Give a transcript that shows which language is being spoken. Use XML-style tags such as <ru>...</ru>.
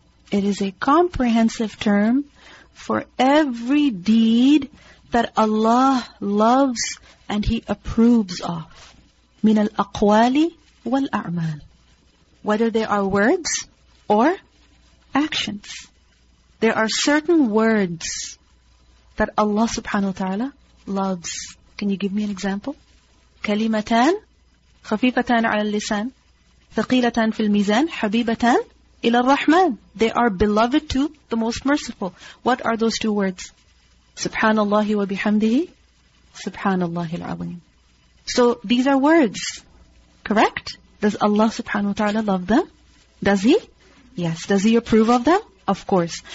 <en>It is a comprehensive term for every deed that Allah loves and He approves of.</en> <ar>من الأقوال والأعمال.</ar> <en>Whether they are words or actions. There are certain words that Allah subhanahu wa ta'ala loves. Can you give me an example?</en> <ar>كلمتان خفيفتان على اللسان ثقيلتان في الميزان حبيبتان إلى الرحمن.</ar> <en>They are beloved to the most merciful. What are those two words?</en> <ar>سبحانالله وبحمده سبحانالله العظيم.</ar> <en>So these are words, correct? Does Allah subhanahu wa ta'ala love them? Does He? Yes. Does He approve of them? Of course.</en>